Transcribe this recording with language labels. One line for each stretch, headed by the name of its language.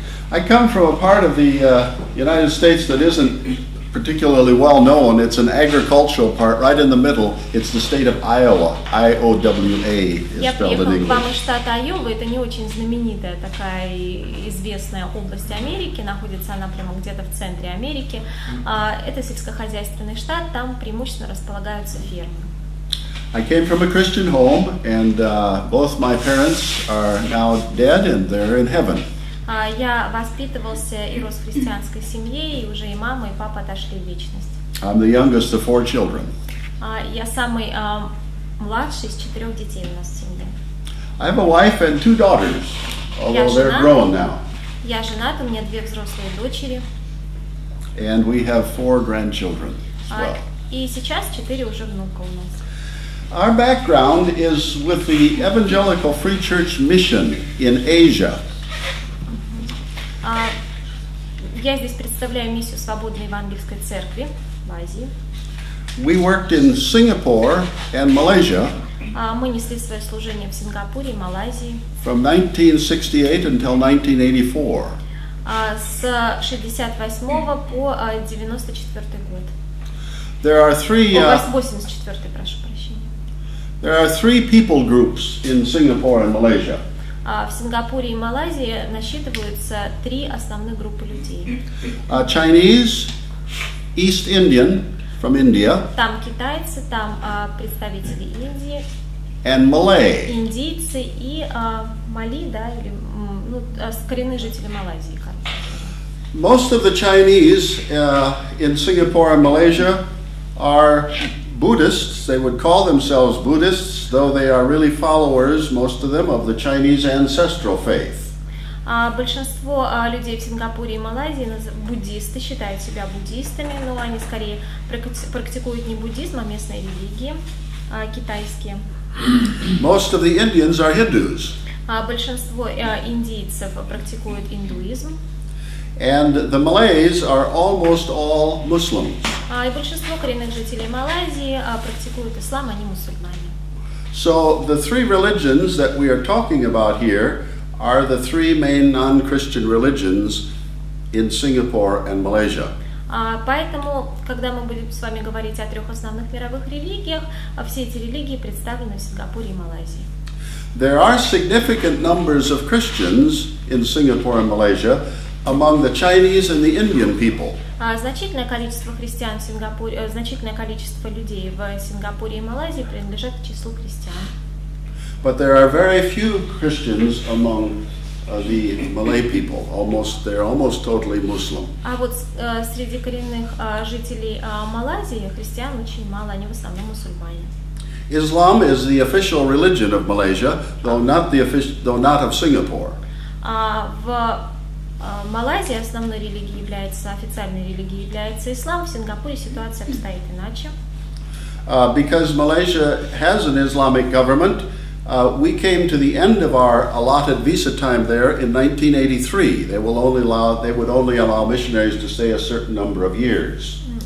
English: I come from a part of the United States that isn't particularly well known. It's an agricultural part, right in the middle. It's the state of Iowa. I-O-W-A is spelled in English.
Russian: Я приехал к вам из штата Айова. Это не очень знаменитая такая известная область Америки. Находится она прямо где-то в центре Америки. Это сельскохозяйственный штат. Там преимущественно располагаются фермы.
English: I came from a Christian home, and both my parents are now dead, and they're in heaven.
Russian: Я воспитывался и рос в христианской семье, и уже и мама, и папа отошли в вечность.
English: I'm the youngest of four children.
Russian: Я самый младший из 4 детей у нас в семье.
English: I have a wife and 2 daughters, although they're grown now.
Russian: Я женат, у меня 2 взрослые дочери.
English: And we have 4 grandchildren as well.
Russian: И сейчас 4 уже внука у нас.
English: Our background is with the Evangelical Free Church Mission in Asia.
Russian: Я здесь представляю миссию Свободной Евангельской Церкви в Азии.
English: We worked in Singapore and Malaysia.
Russian: Мы несли свое служение в Сингапуре и Малайзии.
English: From 1968 until 1984.
Russian: С 68 по 94 год.
English: There are three.
Russian: 84, прошу прощения.
English: There are 3 people groups in Singapore and Malaysia.
Russian: В Сингапуре и Малайзии насчитываются 3 основных группы людей.
English: Chinese, East Indian from India.
Russian: Там китайцы, там представители Индии.
English: And Malay.
Russian: Индийцы и Мали, да, или коренные жители Малайзии, кажется.
English: Most of the Chinese in Singapore and Malaysia are Buddhists. They would call themselves Buddhists, though they are really followers, most of them, of the Chinese ancestral faith.
Russian: Большинство людей в Сингапуре и Малайзии буддисты, считают себя буддистами, но они скорее практикуют не буддизм, а местные религии китайские.
English: Most of the Indians are Hindus.
Russian: Большинство индийцев практикуют индуизм.
English: And the Malays are almost all Muslims.
Russian: И большинство коренных жителей Малайзии практикуют ислам, они мусульмане.
English: So the 3 religions that we are talking about here are the 3 main non-Christian religions in Singapore and Malaysia.
Russian: Поэтому, когда мы будем с вами говорить о 3 основных мировых религиях, все эти религии представлены в Сингапуре и Малайзии.
English: There are significant numbers of Christians in Singapore and Malaysia among the Chinese and the Indian people.
Russian: Значительное количество христиан в Сингапуре, значительное количество людей в Сингапуре и Малайзии принадлежат к числу христиан.
English: But there are very few Christians among the Malay people. Almost, they're almost totally Muslim.
Russian: А вот среди коренных жителей Малайзии христиан очень мало, они в основном мусульмане.
English: Islam is the official religion of Malaysia, though not the though not of Singapore.
Russian: В Малайзии основной религией является официальной религией является ислам. В Сингапуре ситуация обстоит иначе.
English: Because Malaysia has an Islamic government, we came to the end of our allotted visa time there in 1983. They would only allow missionaries to stay a certain number of years.